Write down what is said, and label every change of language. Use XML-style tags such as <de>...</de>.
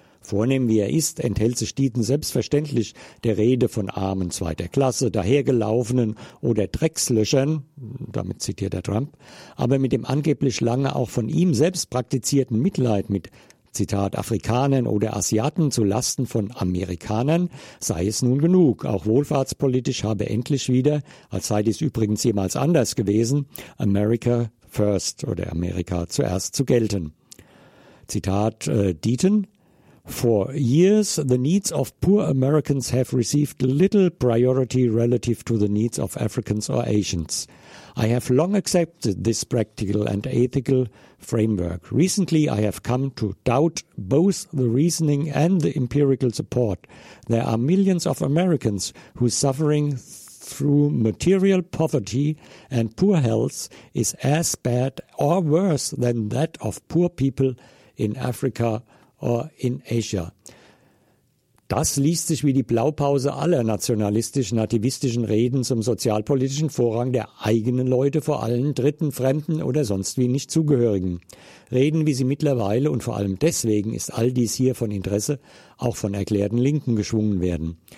<de>Vornehm wie er ist, enthält sich Deaton selbstverständlich der Rede von Armen zweiter Klasse, Dahergelaufenen oder Dreckslöchern, damit zitiert er Trump, aber mit dem angeblich lange auch von ihm selbst praktizierten Mitleid mit, Zitat, Afrikanern oder Asiaten zu Lasten von Amerikanern sei es nun genug. Auch wohlfahrtspolitisch habe endlich wieder, als sei dies übrigens jemals anders gewesen, America first oder Amerika zuerst zu gelten. Zitat Deaton.</de> <en>For years, the needs of poor Americans have received little priority relative to the needs of Africans or Asians. I have long accepted this practical and ethical framework. Recently, I have come to doubt both the reasoning and the empirical support. There are millions of Americans who suffering through material poverty and poor health is as bad or worse than that of poor people in Africa or in Asia.</en> <de>Das liest sich wie die Blaupause aller nationalistisch-nativistischen Reden zum sozialpolitischen Vorrang der eigenen Leute vor allen Dritten, Fremden oder sonst wie Nichtzugehörigen. Reden, wie sie mittlerweile und vor allem deswegen ist all dies hier von Interesse, auch von erklärten Linken geschwungen werden.</de>